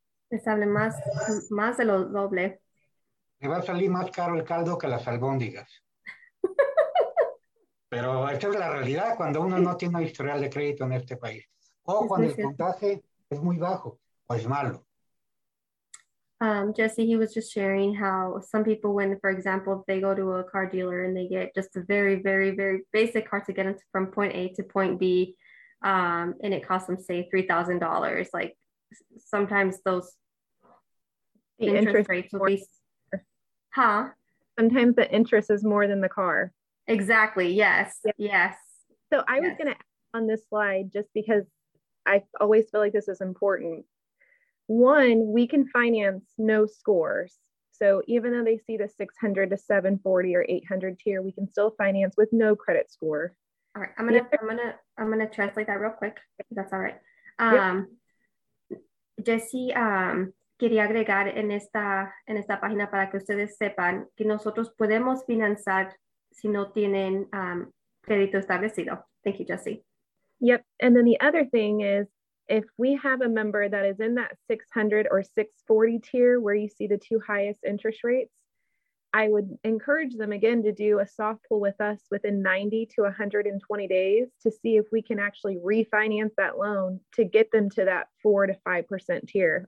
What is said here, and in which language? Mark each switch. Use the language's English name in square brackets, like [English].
[Spanish] Le sale más de lo doble. Le va a salir más caro el caldo que las albóndigas. Pero esta es la realidad cuando uno no tiene un historial de crédito en este país. O es cuando el puntaje es muy bajo o es malo. [English] Jesse, he was just sharing how some people, when, for example, they go to a car dealer and they get just a very, very, very basic car to get them from point A to point B, and it costs them, say, $3,000. Like, sometimes those interest rates will be... Huh? Sometimes the interest is more than the car. Exactly, yes, yep. Yes. So I was going to add on this slide, just because I always feel like this is important. One, we can finance no scores. So even though they see the 600 to 740 or 800 tier, we can still finance with no credit score. All right, I'm gonna translate that real quick. That's all right. Yep. [Spanish] Jesse, quería agregar en esta página para que ustedes sepan que nosotros podemos financiar si no tienen crédito establecido. [English] Thank you, Jesse. Yep, and then the other thing is, if we have a member that is in that 600 or 640 tier where you see the two highest interest rates, I would encourage them again to do a soft pull with us within 90 to 120 days to see if we can actually refinance that loan to get them to that 4 to 5% tier.